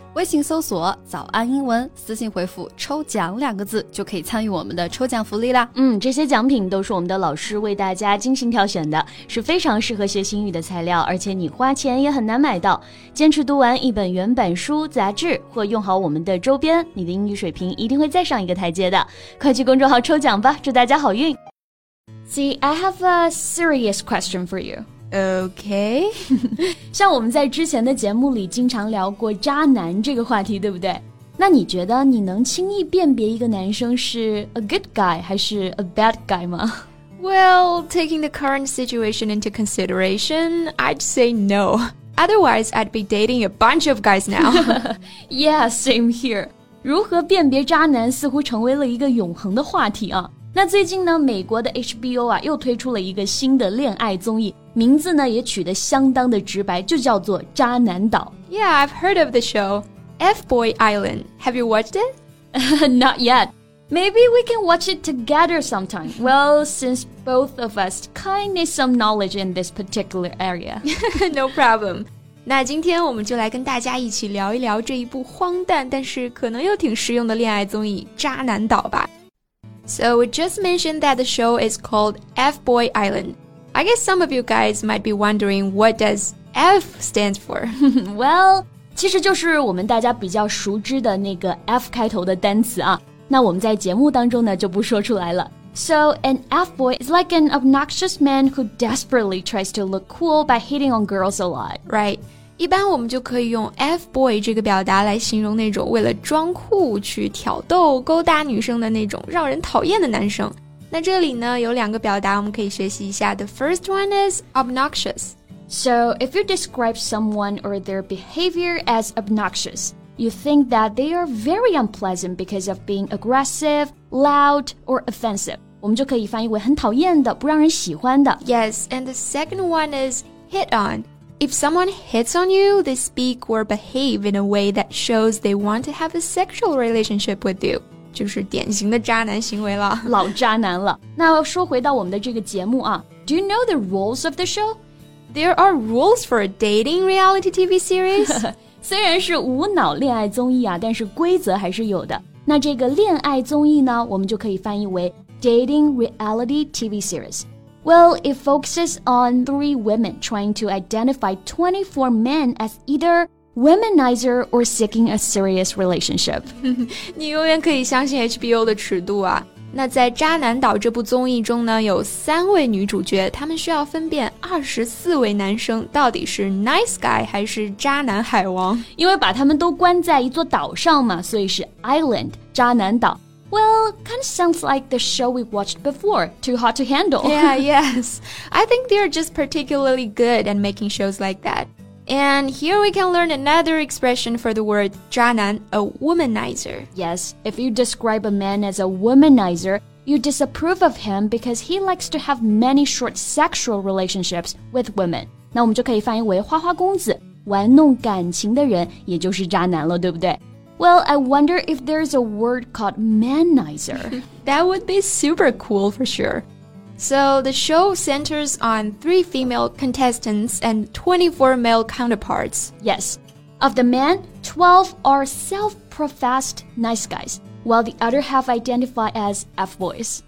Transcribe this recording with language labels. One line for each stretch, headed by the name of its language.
Chinese: 微信搜索早安英文，私信回复抽奖两个字，就可以参与我们的抽奖福利啦。嗯，这些奖品都是我们的老师为大家精心挑选的，是非常适合学习英语的材料，而且你花钱也很难买到。坚持读完一本原版书、杂志或用好我们的周边，你的英语水平一定会再上一个台阶的。快去公众号抽奖吧，祝大家好运。
English: See, I have a serious question for you OK.
Chinese: 像我们在之前的节目里经常聊过渣男这个话题，对不对？那你觉得你能轻易辨别一个男生是
English: a good guy
Chinese: 还是
English: a bad guy
Chinese: 吗？
English: Well, taking the current situation into consideration, I'd say no. Otherwise, I'd be dating a bunch of guys now. Yeah, same here.
Chinese: 如何辨别渣男似乎成为了一个永恒的话题啊。那最近呢，美国的 HBO 啊又推出了一个新的恋爱综艺，名字呢也取得相当的直白，就叫做渣男岛。
English: Yeah, I've heard of the show F-Boy Island. Have you watched it? Not yet. Maybe we can watch it together sometime. Well, since both of us kind of need some knowledge in this particular area. No problem.
Chinese: 那今天我们就来跟大家一起聊一聊这一部荒诞但是可能又挺实用的恋爱综艺渣男岛吧。
English: So we just mentioned that the show is called F-Boy Island. I guess some of you guys might be wondering what does F stand for? Well,
Chinese: 其实就是我们大家比较熟知的那个 F 开头的单词啊。那我们在节目当中呢就不说出来了。
English: So an F-boy is like an obnoxious man who desperately tries to look cool by hitting on girls a lot. Right.
Chinese: 一般我们就可以用 F-boy 这个表达来形容那种为了装酷去挑逗勾搭女生的那种让人讨厌的男生。那这里呢有两个表达我们可以学习一下。
English: The first one is obnoxious. So if you describe someone or their behavior as obnoxious, you think that they are very unpleasant because of being aggressive, loud, or offensive.
Chinese: 我们就可以翻译为很讨厌的，不让人喜欢的。
English: Yes, and the second one is hit on. If someone hits on you, they speak or behave in a way that shows they want to have a sexual relationship with you.
Chinese: 就是典型的渣男行为了。老渣男了。那说回到我们的这个节目啊。
English: Do you know the rules of the show? There are rules for a dating reality TV series.
Chinese: 虽然是无脑恋爱综艺啊，但是规则还是有的。那这个恋爱综艺呢，我们就可以翻译为
English: dating reality TV series. Well, it focuses on three women trying to identify 24 men as either womanizer or seeking a serious relationship.
Chinese: 你永远可以相信 HBO 的尺度啊。那在渣男岛这部综艺中呢，有三位女主角，她们需要分辨24位男生到底是
English: nice guy
Chinese: 还是渣男海王。因为把他们都关在一座岛上嘛，所以是 island, 渣男岛。
English: Well, kind of sounds like the show we watched before, Too Hot to Handle. Yeah, yes. I think they're just particularly good at making shows like that. And here we can learn another expression for the word
Chinese: 渣男,
English: a womanizer. Yes, if you describe a man as a womanizer, you disapprove of him because he likes to have many short sexual relationships with women.
Chinese: 那我们就可以翻译为花花公子,玩弄感情的人也就是渣男了,对不对?
English: Well, I wonder if there's a word called manizer. That would be super cool for sure. So the show centers on three female contestants and 24 male counterparts. Yes. Of the men, 12 are self-professed nice guys, while the other half identify as F-boys.